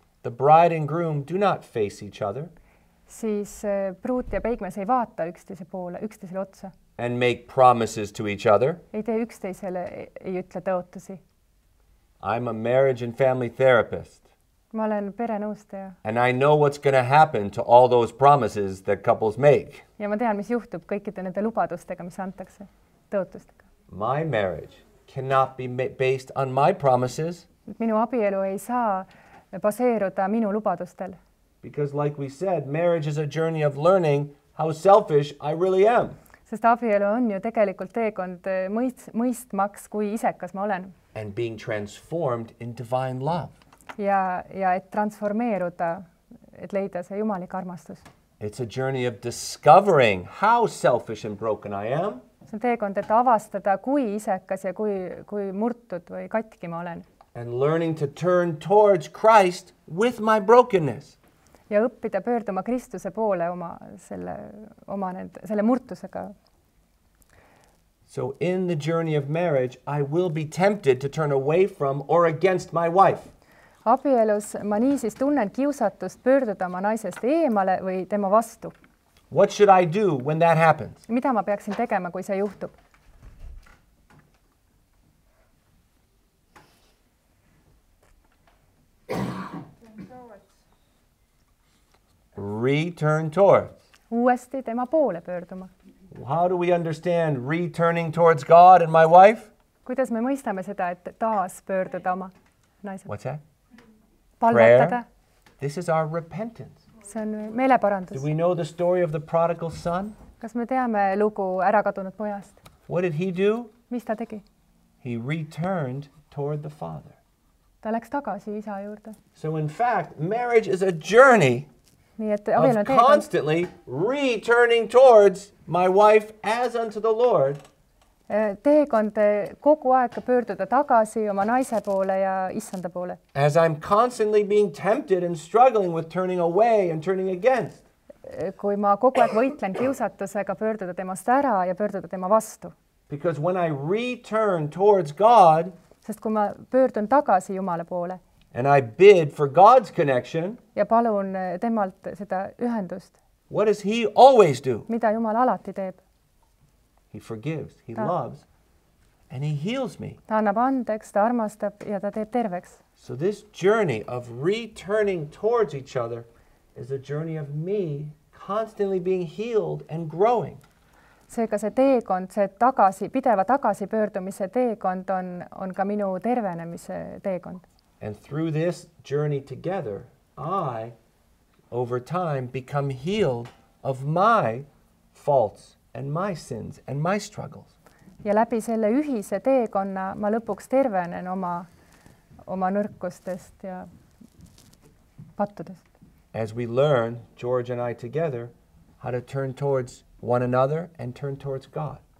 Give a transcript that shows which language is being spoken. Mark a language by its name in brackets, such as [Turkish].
[English] the bride and groom do not face each other. [Estonian] Siis pruut ja peigmees ei vaata üksteise poole, üksteisele otsa. [English] And make promises to each other. [Estonian] Ei tee üksteisele, ei ütle tõotusi. [English] I'm a marriage and family therapist. [Estonian] Ma olen perenõustaja. [English] And I know what's going to happen to all those promises that couples make. [Estonian] Ja ma tean, mis juhtub kõikide nende lubadustega, mis antakse, tõotustega. [English] My marriage cannot be based on my promises. [Estonian] Minu abielu ei saa baseeruda minu lubadustel. [English] Because like we said, marriage is a journey of learning how selfish I really am. [Estonian] Sest abielu on ju tegelikult teekond mõistmaks, kui isekas ma olen. [English] And being transformed in divine love. [Estonian] Ja et transformeeruda, et leida see jumalik armastus. [English] It's a journey of discovering how selfish and broken I am. [Estonian] See on teekond, et avastada, kui isekas ja kui murtud või katki ma olen. [English] And learning to turn towards Christ with my brokenness. [Estonian] Ja õppida pöörduma Kristuse poole selle murtusega. [English] So in the journey of marriage, I will be tempted to turn away from or against my wife. [Estonian] Abielus ma nii siis tunnen kiusatust pöörduda oma naisest eemale või tema vastu. [English] What should I do when that happens? [Estonian] Mida ma peaksin tegema, kui see juhtub? [English] Don't return towards. [Estonian] Uuesti tema poole pöörduma. [English] How do we understand returning towards God and my wife? [Estonian] Kuidas me mõistame seda, et taas pöörduda oma naise? [English] What's that? Prayer. This is our repentance. [Estonian] See on meeleparandus. [English] Do we know the story of the prodigal son? [Estonian] Kas me teame lugu ärakadunud pojast? [English] What did he do? [Estonian] Mis ta tegi? [English] He returned toward the father. [Estonian] Ta läks tagasi isa juurde. [English] So in fact, marriage is a journey. [Estonian] Nii et abielu teed on [English] constantly returning towards my wife as unto the Lord. [Estonian] Teekond kogu aeg pöörduda tagasi oma naise poole ja issanda poole. [English] As I'm constantly being tempted and struggling with turning away and turning against. [Estonian] Kui ma kogu aeg võitlen kiusatusega pöörduda temast ära ja pöörduda tema vastu. [English] Because when I return towards God, [Estonian] sest kui ma pöördun tagasi Jumale poole, [English] and I bid for God's connection, [Estonian] ja palun temalt seda ühendust, [English] what does he always do? [Estonian] Mida Jumal alati teeb? [English] He forgives, he loves, and he heals me. [Estonian] Ta annab andeks, ta armastab ja ta teeb terveks. [English] So this journey of returning towards each other is a journey of me constantly being healed and growing. [Estonian] Seega see teekond, see tagasi, pideva tagasi pöördumise teekond on ka minu tervenemise teekond. [English] And through this journey together, I, over time, become healed of my faults and my sins and my struggles. [Estonian] Ja läbi selle ühise teekonna ma lõpuks tervenen oma nõrkustest ja pattudest. [English] As we learn, George and I together, how to turn towards one another and turn towards God.